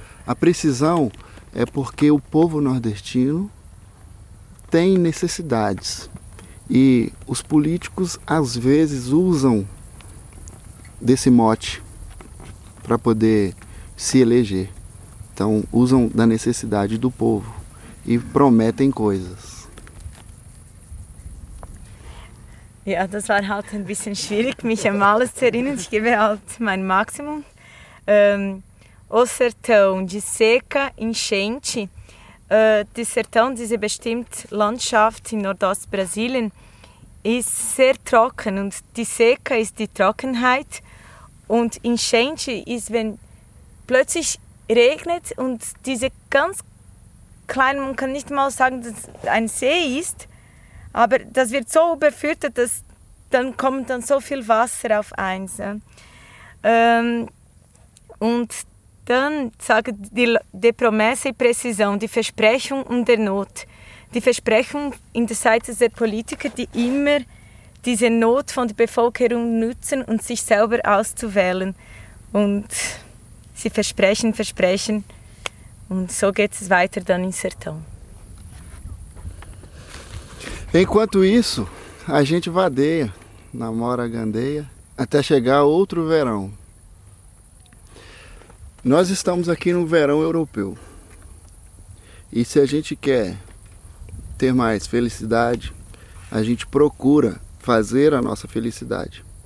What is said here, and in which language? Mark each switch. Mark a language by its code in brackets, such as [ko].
[pt] A precisão é porque o povo nordestino tem necessidades. E os políticos, às vezes, usam desse mote para poder se eleger. Então, usam da necessidade do povo e prometem coisas. [de] Ja, das war halt ein bisschen schwierig, mich an alles zu erinnern. Ich gebe halt mein Maximum. [pt] O Sertão, de seca, enchente. [de] De Sertão, diese bestimmte Landschaft in Nordost-Brasilien, ist sehr trocken. Und die seca ist die Trockenheit. Und enchente ist, wenn plötzlich regnet und diese ganz kleine, man kann nicht mal sagen, dass es ein See ist, aber das wird so überflutet, dass dann kommt dann so viel Wasser auf eins. Und dann sage die Promesse, die Präzision, die Versprechung und der Not. Die Versprechung in der Seite der Politiker, die immer diese Not von der Bevölkerung nutzen und sich selber auszuwählen. Und sie versprechen, versprechen. Und so geht es weiter dann im Sertão. [pt] Enquanto isso, a gente vadeia, namora a gandeia, até chegar outro verão. Nós estamos aqui no verão europeu. E se a gente quer ter mais felicidade, a gente procura fazer a nossa felicidade.